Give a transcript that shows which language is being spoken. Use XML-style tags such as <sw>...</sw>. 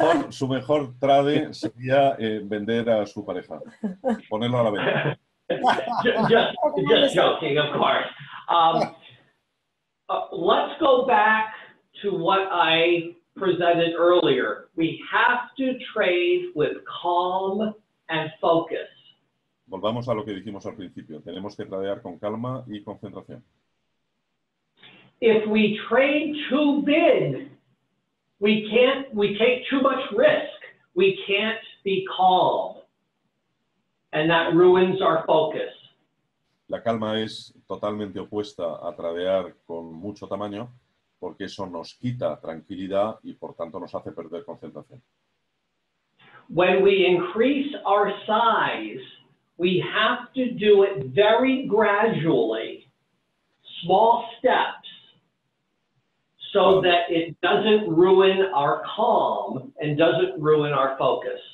<es>Su mejor trade sería vender a su pareja, ponerlo a la venta.</es> <en>Just joking, of course. Let's go back to what I presented earlier. We have to trade with calm and focus.</en> <es>Volvamos a lo que dijimos al principio. Tenemos que tradear con calma y concentración.</es> <en>If we trade too big, we take too much risk. We can't be calm. And that ruins our focus.</en> <es>La calma es totalmente opuesta a tradear con mucho tamaño, porque eso nos quita tranquilidad y por tanto nos hace perder concentración.</es> <en>When we increase our size, we have to do it very gradually, small steps, so that it doesn't ruin our calm and doesn't ruin our focus.</en>